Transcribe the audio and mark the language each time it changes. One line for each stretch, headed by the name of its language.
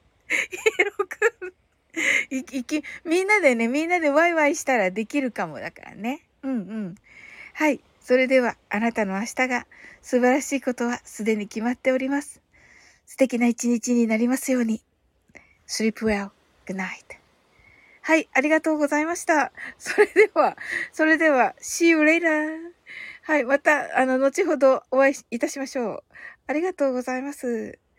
Japanese: ヒーロー君。みんなでね、みんなでワイワイしたらできるかもだからね。うんうん。はい、それではあなたの明日が素晴らしいことはすでに決まっております。素敵な一日になりますように。
English: Sleep well. Good night.
Japanese: はい、ありがとうございました。それでは、
English: See you later.
Japanese: はい、また、後ほどお会いいたしましょう。ありがとうございます。